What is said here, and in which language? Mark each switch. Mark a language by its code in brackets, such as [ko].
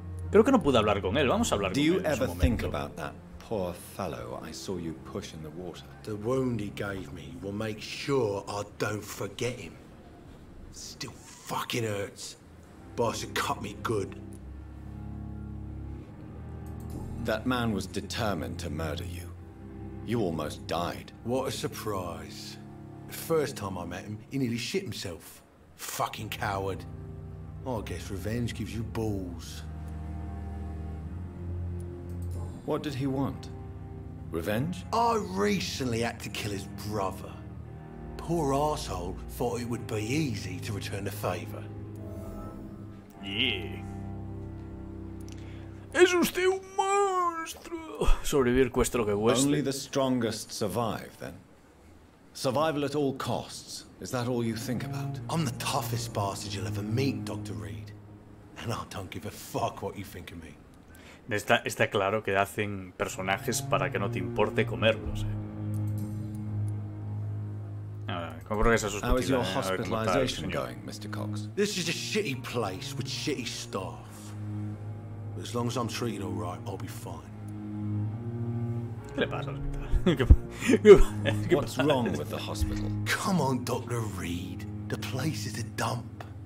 [es] Creo que no pude hablar con él. Vamos a hablar con él en su momento. [en] Poor fellow, I saw you push in the water. The wound he gave me will make sure I don't forget him. Still fucking hurts. Boss had cut me good. That man was determined to murder you. You almost died. What a surprise. The first time I met him, he nearly shit himself. Fucking coward. I guess revenge gives you balls. What did he want? Revenge? I recently had to kill his brother. Poor asshole thought it would be easy to return the favor. Yeah. [es] ¿Es usted un monstruo? Sobrevivir cuesta lo que cueste. [en] Only the strongest survive, then. Survival at all costs. Is that all you think about? I'm the toughest bastard you'll ever meet, Dr. Reed. And I don't give a fuck what you think of me. [es] Está claro que hacen personajes para que no te importe comerlos, ¿eh? Comprobar que se asustó. [en] How is your hospitalization going, Mr. Cox? This is a shitty place with shitty staff. But as long as I'm treated all right, I'll be fine. [es] ¿Qué le pasa al hospital? [en] What's wrong with the hospital? Come on, Dr. Reed. The place is a dump.